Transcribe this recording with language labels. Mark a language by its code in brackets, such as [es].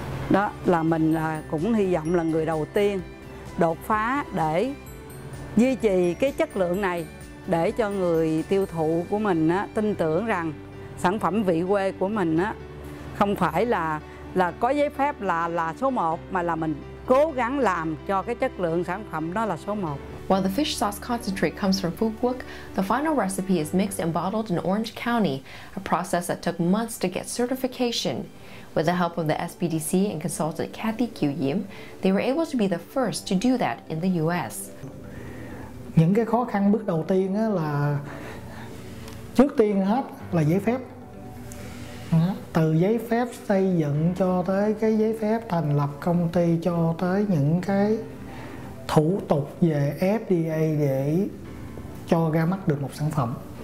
[vi] Đó là mình cũng hy vọng là người đầu tiên đột phá để duy trì cái chất lượng này, để cho người tiêu thụ của mình á, tin tưởng rằng sản phẩm Vị Quê của mình á, không phải là có giấy phép là số 1, mà là mình cố gắng làm cho cái chất lượng sản phẩm đó là số 1. [en] While the fish sauce concentrate comes from Phú Quốc, the final recipe is mixed and bottled in Orange County, a process that took months to get certification. With the help of the SBDC and consultant Kathy Q. Yim, they were able to be the first to do that in the U.S. [vi] Những cái khó khăn bước đầu tiên á, là trước tiên hết là giấy phép. Từ giấy phép xây dựng cho tới cái giấy phép thành lập công ty, cho tới những cái thủ tục về FDA để cho ra mắt được một sản phẩm.